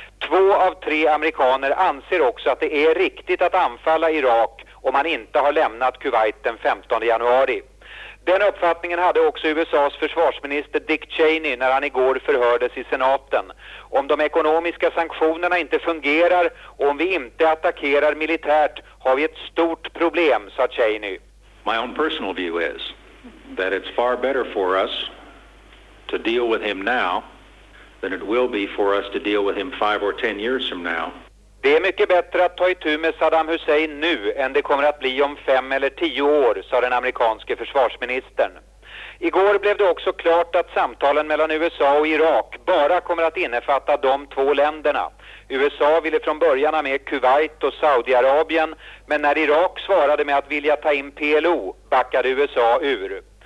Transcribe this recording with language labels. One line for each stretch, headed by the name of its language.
Swedish: 2 av 3 amerikaner anser också att det är riktigt att anfalla Irak om man inte har lämnat Kuwait den 15 januari. Den uppfattningen hade också USAs försvarsminister Dick Cheney när han igår förhördes i senaten. Om de ekonomiska sanktionerna inte fungerar och om vi inte attackerar militärt har vi ett stort problem, sa Cheney.
English: My own personal view is that it's far better for us to deal with him now than it will be for us to deal with him 5 or 10 years from now.
Swedish: Det är mycket bättre att ta itu med Saddam Hussein nu än det kommer att bli om 5 eller 10 år, sa den amerikanske försvarsministern. Igår blev det också klart att samtalen mellan USA och Irak bara kommer att innefatta de två länderna. USA ville från början ha med Kuwait och Saudiarabien, men när Irak svarade med att vilja ta in PLO backade USA ur.